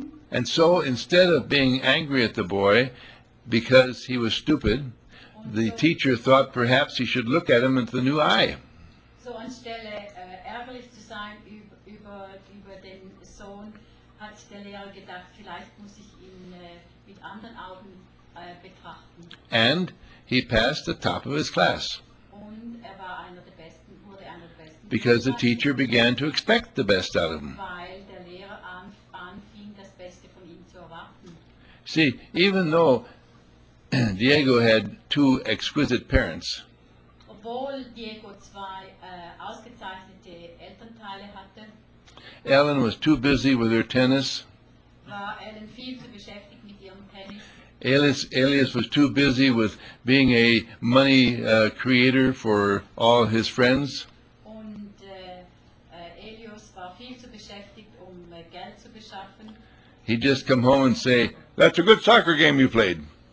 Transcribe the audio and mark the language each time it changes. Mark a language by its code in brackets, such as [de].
[en] And so instead of being angry at the boy because he was stupid, the teacher thought perhaps he should look at him with the new eye. [de] So anstelle ärgerlich zu sein über den Sohn, hat der Lehrer gedacht, vielleicht muss ich ihn mit anderen Augen betrachten. [en] And he passed the top of his class. [de] Und er war einer der besten, wurde einer der besten. [en] Because the teacher began to expect the best out of him. [de] Weil der Lehrer anfing, das Beste von ihm zu erwarten. [en] See, even though Diego had two exquisite parents. [de] Obwohl Diego zwei ausgezeichnete Elternteile hatte. [en] Ellen was too busy with her tennis. [de] War Ellen viel zu beschäftigt mit ihrem Tennis. [en] Elias was too busy with being a money creator for all his friends. [de] Und Elias war viel zu beschäftigt, um Geld zu beschaffen. [en] He'd just come home and say, "That's a good soccer game you played."